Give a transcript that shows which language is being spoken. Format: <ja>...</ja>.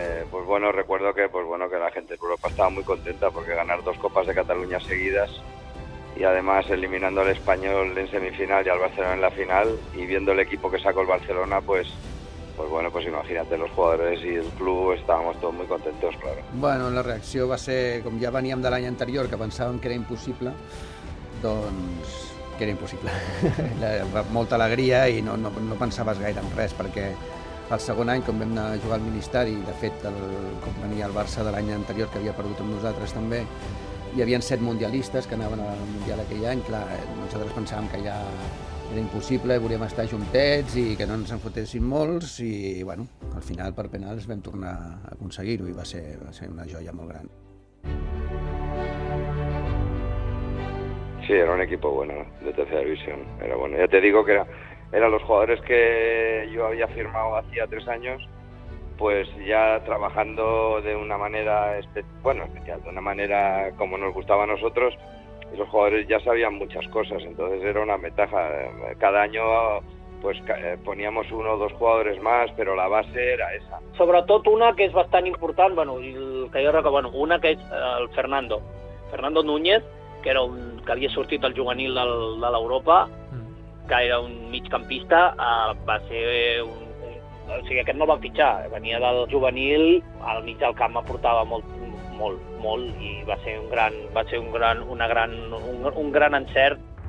<es>Pues bueno, recuerdo que, pues bueno, que la gente de Europa estaba muy contenta porque ganar dos copas de Cataluña seguidas y además eliminando al Español en semifinal y al Barcelona en la final, y viendo el equipo que sacó el Barcelona, pues bueno, pues imagínate, los jugadores y el club estábamos todos muy contentos, claro.</es> <ca>Bueno, la reacció va ser, com ja veníem de l'any anterior, que pensàvem que era impossible, doncs que era impossible. Molta alegria i no pensaves gaire en res, perquè el segon any, quan vam anar a jugar al Ministeri, de fet, com venia el Barça de l'any anterior, que havia perdut amb nosaltres també, hi havia 7 mundialistes que anaven al Mundial aquell any. Clar, nosaltres pensàvem que ja era impossible, volíem estar juntets i que no ens en fotessin molts, i bueno, al final per penals vam tornar a aconseguir-ho i va ser una joia molt gran.</ca> <es>Sí, era un equipo bueno de tercera división. Era bueno, ya te digo que eran los jugadores que yo había firmado hacía 3 años, pues ya trabajando de una manera especial, de una manera como nos gustaba a nosotros. Esos jugadores ya sabían muchas cosas, entonces era una ventaja. Cada año pues poníamos uno o dos jugadores más, pero la base era esa.</es> <ca>Sobretot una que és bastant important, bueno, una que és el Fernando Núñez, que era un que havia sortit al juvenil de l'Europa, que era un migcampista, va ser un o sigui, aquest no el van fitxar, venia del juvenil, al mig del camp aportava molt, molt, molt, i va ser un gran, un gran encert.</ca>